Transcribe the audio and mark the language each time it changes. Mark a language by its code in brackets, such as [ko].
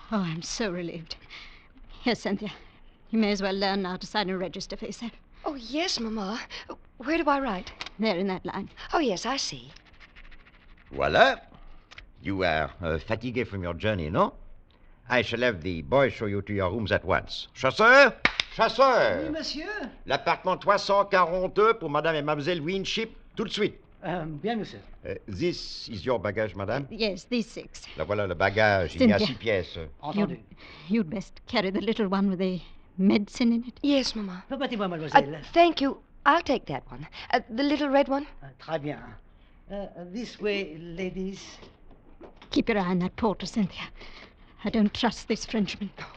[en] Oh, I'm so relieved. Here, Cynthia, you may as well learn now to sign a register for yourself. Oh, yes, mama. Where do I write? There, in that line. Oh, yes, I see. Voila. You are fatigued from your journey, no? I shall have the boy show you to your rooms at once. [fr] Chasseur! Chasseur! Oui, monsieur. L'appartement 342 pour madame et mademoiselle Winship, tout de suite. Bien, monsieur. [en] This is your baggage, madame? Yes, these six. [fr] La voilà le bagage, il y a six pièces. Entendu. [en] You'd best carry the little one with the medicine in it? Yes, Mama. [fr] Permettez-moi, mademoiselle. [en] Thank you. I'll take that one. The little red one. [fr] Très bien. [en] This way, ladies. Keep your eye on that porter, Cynthia. I don't trust this Frenchman.